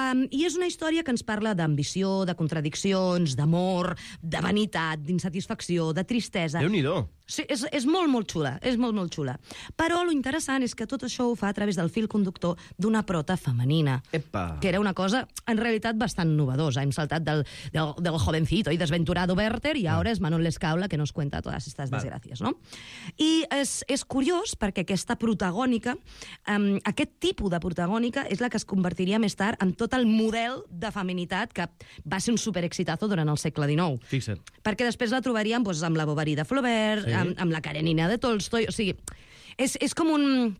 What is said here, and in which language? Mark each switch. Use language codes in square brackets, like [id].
[ca] I és una història que ens parla d'ambició, de contradiccions, d'amor, de vanitat, d'insatisfacció, de tristesa... Déu-n'hi-do! Sí, és molt, molt xula, és molt, molt xula. Però lo interessant és que tot això ho fa a través del fil conductor d'una prota femenina. Epa! Que era una cosa, en realitat, bastant novedosa. [es] Hem saltat del jovencito y desventurado Werther y ahora es Manon Lescaula que nos cuenta todas estas desgracias, no? [ca] I és curiós perquè aquesta protagònica, aquest tipus de protagònica, és la que es convertiria més tard en tot el model de feminitat que va ser un superexitazo durant el segle XIX. Fixa't. Perquè després la trobaríem doncs, amb la Bovary de Flaubert, sí. amb la Karenina de Tolstoi, o sigui, és com un...